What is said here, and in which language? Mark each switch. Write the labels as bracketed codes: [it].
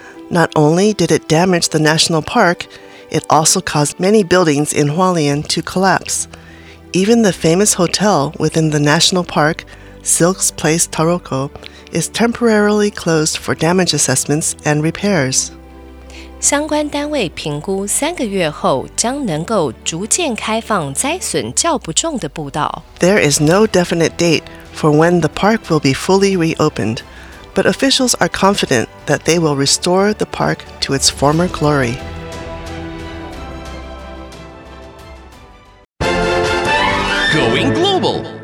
[en] Not only did it damage the national park, it also caused many buildings in Hualien to collapse. Even the famous hotel within the national park, Silk's Place Taroko, is temporarily closed for damage assessments and repairs. [zh] 相关单位评估三个月后将能够逐渐开放灾损较不重的步道。 [en] There is no definite date for when the park will be fully reopened, but officials are confident that they will restore the park to its former glory. Going global.